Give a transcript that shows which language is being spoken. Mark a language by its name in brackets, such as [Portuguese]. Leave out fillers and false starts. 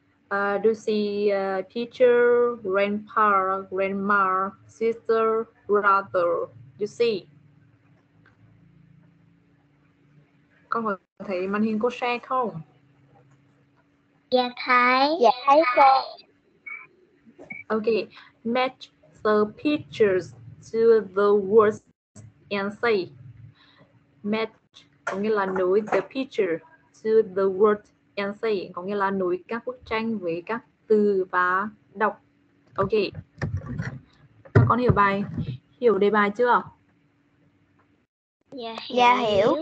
[English] Do you see teacher, grandpa, grandma, sister, brother? You see? [Vietnamese] Có thấy màn hình cô share không? Dạ thấy. Dạ thấy cô. [English] Okay, match the pictures to the words and say. [Vietnamese] Match có nghĩa là nối [English] the picture to the word and say, [Vietnamese] có nghĩa là nối các bức tranh với các từ và đọc. Ok, các con hiểu bài, hiểu đề bài chưa? Dạ hiểu